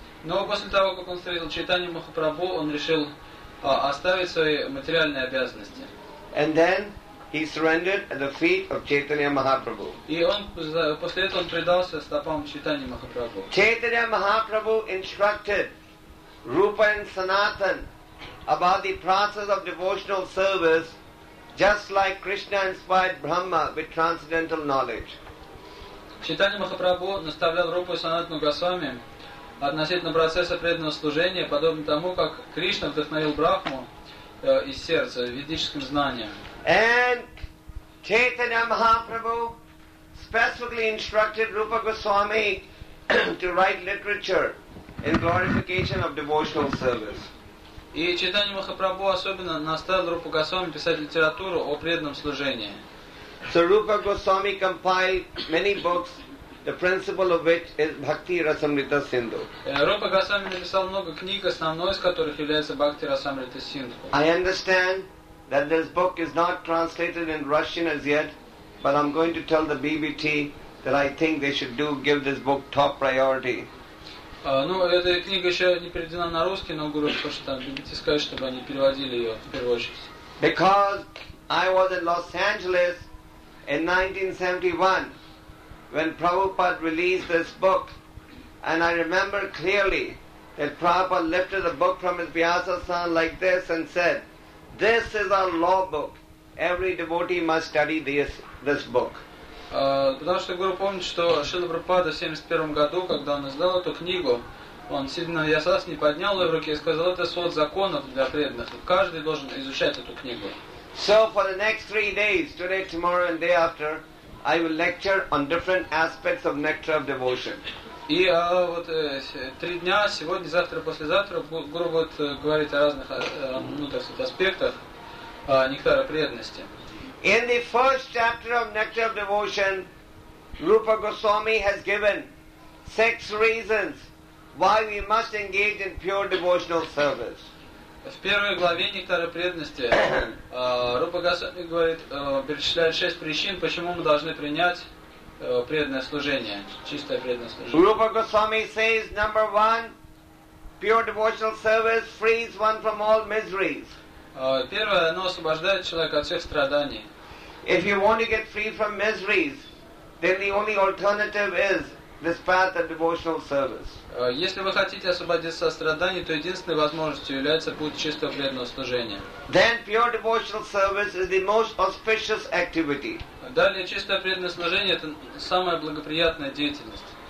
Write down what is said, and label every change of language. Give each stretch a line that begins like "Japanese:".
Russian: Но после того, как он встретил Чайтанью Махапрабху, он решил оставить свои материальные обязанности.
English: And then he surrendered at the feet of Chaitanya Mahaprabhu.
Russian: И он после этого предался стопам Чайтанья Махапрабху.
English: Chaitanya Mahaprabhu instructed Rupa and Sanatan about the process of devotional service. Just like Krishna inspired Brahma with transcendental knowledge.
Russian: Чайтанья Махапрабху наставлял Рупу и Санатану Госвами относительно процесса преданного служения, подобно тому, как Кришна вдохновил Брахму из сердца ведическим знанием.
English: And Chaitanya Mahaprabhu specifically instructed Rupa Goswami to write literature in glorification of devotional service.
Russian: И Чайтанья Махапрабху особенно наставил Рупа Госвами писать литературу о преданном служении.
English: So Rupa Goswami compiled many books, the principle of which is Bhakti Rasamrita Sindhu.
Russian: Рупа Госвами написал много книг, основной из которых является Бхакти Расамрита Синдху.
English: I understand that this book is not translated in Russian as yet, but I'm going to tell the BBT that I think they should do give this book top priority.
Russian: Ну, эта книга еще не переведена на русский, но Гуру хочет там прийти сказать, чтобы они переводили ее в первую очередь.
English: Because I was in Los Angeles in 1971 when Prabhupada released this book, and I remember clearly that Prabhupada lifted the book from his Vyasa-san like this and said, "This is our law book. Every devotee must study this book."
Russian: Потому что Гуру помнит, что Шрила Прабхупада в 71 году, когда он издал эту книгу, он сильно ясас не поднял ее в руки и сказал, это свод законов для преданных. Каждый должен изучать эту книгу.
English: So for the next three days, today, tomorrow and day after, I will lecture on different aspects of nectar of devotion.
Russian: И вот три дня, сегодня, завтра, послезавтра, Гуру будет говорить о разных аспектах нектара преданности.
English: In the first chapter of Nectar of Devotion, Rupa Goswami has given six reasons why we must engage in pure devotional service.
Russian: В первой главе Нектара преданности Рупа Госвами говорит, перечисляет шесть причин, почему мы должны принять преданное служение, чистое преданное служение.
English: Rupa Goswami says, number one, pure devotional service frees one from all miseries.
Russian: Первое, оно освобождает человека от всех страданий.
English: If you want to get free from miseries, then the only alternative is this path of devotional service.
Russian: Если вы хотите освободиться от страданий, то единственной возможностью является путь чистого преданного служения.
English: Then pure devotional service is the most auspicious activity.
Russian: Далее чистое преданное служение — это самая благоприятная деятельность.